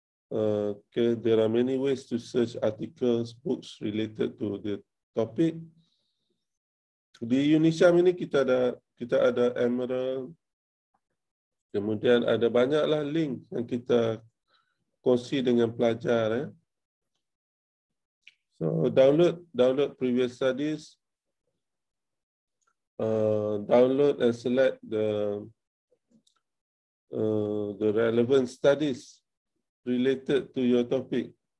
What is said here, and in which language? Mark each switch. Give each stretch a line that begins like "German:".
English: Okay, there are many ways to search articles, books related to the topic.
Malay: Di UNISYAM ini kita ada Emerald, kemudian ada banyaklah link yang kita kongsi dengan pelajar.
English: So download previous studies, download and select the relevant studies related to your topic.